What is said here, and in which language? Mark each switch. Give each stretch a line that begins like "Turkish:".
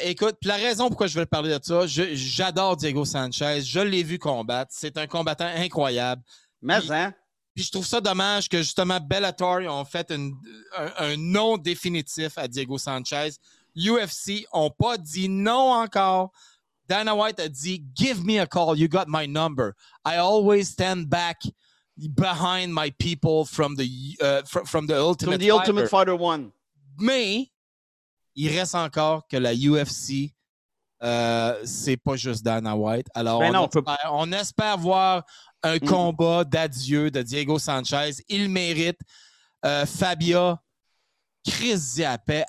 French: Écoute, la raison pourquoi je veux parler de ça, j'adore Diego Sanchez. Je l'ai vu combattre. C'est un combattant incroyable. Puis je trouve ça dommage que justement Bellator ont fait un non définitif à Diego Sanchez. UFC n'ont pas dit non encore.
English: Dana White a dit « Give me a call, you got my number. I always stand back behind my people from the Ultimate Fighter 1. »
French: Mais il reste encore que la UFC, c'est pas juste Dana White. Alors on espère voir... Un combat d'adieu de Diego Sanchez. Il mérite. Fabia, crise à paix.